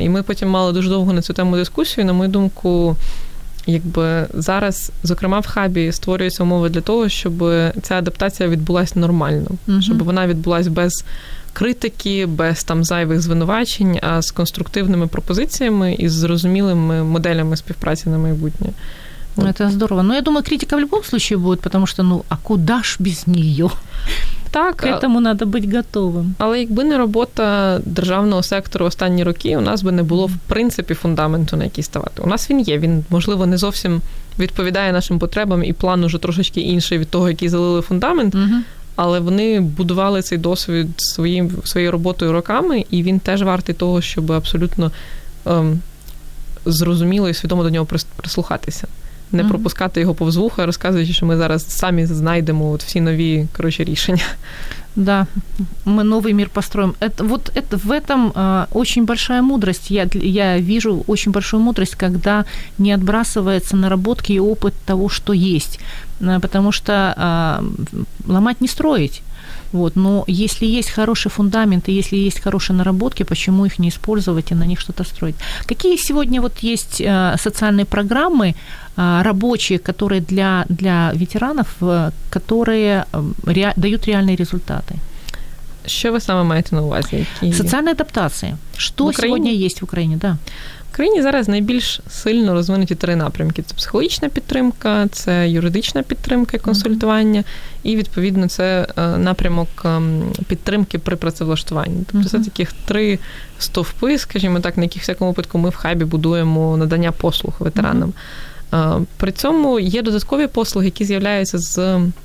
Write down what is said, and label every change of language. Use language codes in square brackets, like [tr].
[uk] І ми потім мали дуже довго на цю тему дискусію, на мою думку, якби зараз, зокрема в хабі, створюються умови для того, щоб ця адаптація відбулася нормально, щоб вона відбулася без критики, без там зайвих звинувачень, а з конструктивними пропозиціями і з зрозумілими моделями співпраці на майбутнє. [ru] Ну, это здорово. Но я думаю, критика в любом случае будет, потому что, ну, а куда ж без нее? [uk] Так. [ru] К этому надо быть готовым. [uk] Але якби не робота державного сектору останні роки, у нас би не було, в принципі, фундаменту, на який ставати. У нас він є. Він, можливо, не зовсім відповідає нашим потребам, і план уже трошечки інший від того, який залили фундамент. Але вони будували цей досвід своєю роботою роками, і він теж вартий того, щоб абсолютно зрозуміло і свідомо до нього прислухатися. Не пропускати його повз вуха, розказуючи, що ми зараз самі знайдемо от всі нові, короче, рішення. Да, ми новий мир построїмо. [ru] В этом очень большая мудрость. Я вижу очень большую мудрость, когда не отбрасывается наработки и опыт того, что есть. Потому что ломать не строить. Вот, но если есть хороший фундамент и если есть хорошие наработки, почему их не использовать и на них что-то строить? Какие сегодня вот есть социальные программы рабочие, которые для ветеранов, которые дают реальные результаты? Что вы самое [uk] маете на увазе? [ru] Социальная адаптация. Что сегодня есть в Украине, да? [uk] В країні зараз найбільш сильно розвинуті три напрямки. Це психологічна підтримка, це юридична підтримка і консультування, і, відповідно, це напрямок підтримки при працевлаштуванні. Тобто це таких три стовпи, скажімо так, на яких, в всякому випадку, ми в хабі будуємо надання послуг ветеранам. При цьому є додаткові послуги, які з'являються з